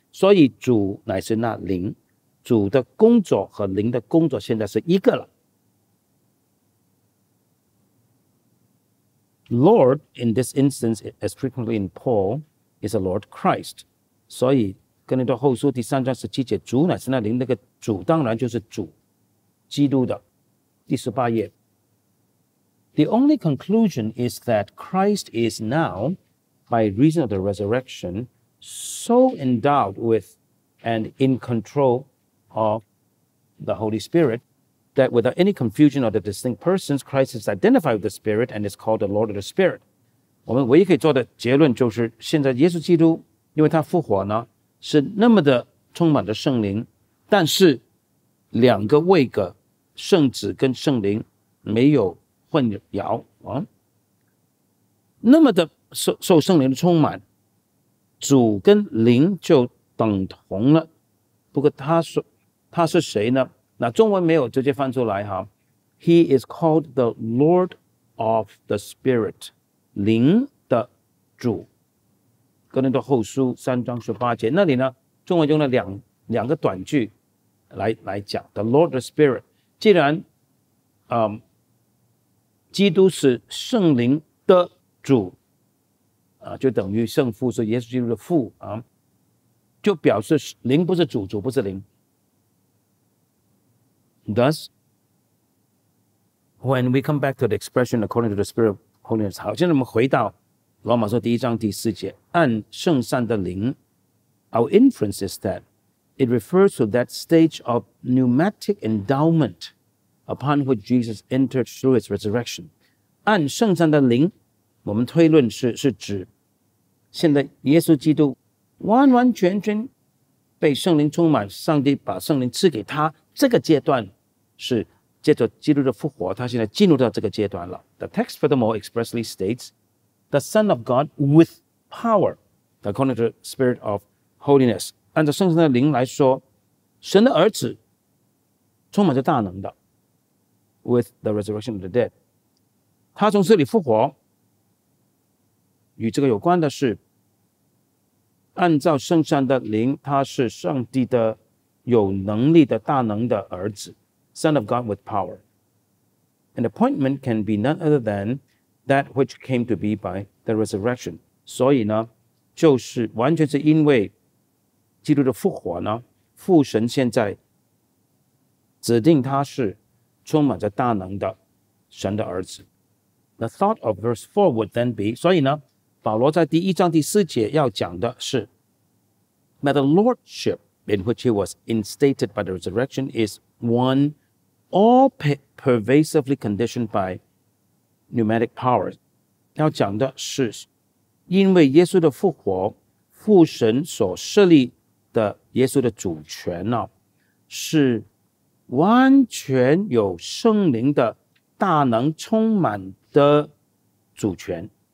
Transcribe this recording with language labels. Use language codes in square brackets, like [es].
[zh] 所以主乃是那灵，主的工作和灵的工作现在是一个了。 [en] Lord in this instance as frequently in Paul is a Lord Christ。 [zh] 所以哥林多后书第三章十七节，主乃是那灵，那个主当然就是主基督的。第十八页， [en] The only conclusion is that Christ is now, by reason of the resurrection, so endowed with and in control of the Holy Spirit that without any confusion of the distinct persons, Christ is identified with the Spirit and is called the Lord of the Spirit. [zh] 我们唯一可以做的结论就是，现在耶稣基督因为他复活呢，是那么的充满着圣灵，但是两个位格，圣子跟圣灵没有混淆啊，那么的 受圣灵的充满，主跟灵就等同了。不过他是谁呢？那中文没有直接翻出来哈。 [en] He is called the Lord of the Spirit, [zh] 灵的主。哥林多后书三章十八节，那里呢，中文用了两个短句来讲 ， [en] the Lord the Spirit。 [zh] 既然，基督是圣灵的主，就等于圣父是耶稣基督的父啊，就表示灵不是主，主不是灵。 [en] Thus, when we come back to the expression according to the Spirit of holiness, [zh] 好，现在我们回到罗马书第一章第四节，按圣善的灵， [en] our inference is that it refers to that stage of pneumatic endowment upon which Jesus entered through his resurrection. [zh] 按圣善的灵，我们推论 是指现在耶稣基督完完全全被圣灵充满，上帝把圣灵赐给他，这个阶段是借着基督的复活，他现在进入到这个阶段了。 [en] The text furthermore expressly statesThe Son of God with power, according to the Spirit of Holiness. [zh] 按照圣神的灵来说，神的儿子充满着大能的 [en] with the resurrection of the dead. [zh] 他从死里复活，与这个有关的是，按照圣神的灵，他是上帝的有能力的大能的儿子 [en] Son of God with power. An appointment can be none other thanThat which came to be by the resurrection. [zh] 所以呢，就是完全是因为基督的复活呢，父神现在指定他是充满着大能的神的儿子。 [en] The thought of verse 4 would then be, [zh] 所以呢，保罗在第一章第四节要讲的是 [en] that the lordship in which he was instated by the resurrection is one all pervasively conditioned byPneumatic power. [zh] 要讲的是因为耶稣的复活，父神所设立的耶稣的主权呢，是完全有圣灵的大能充满的主权。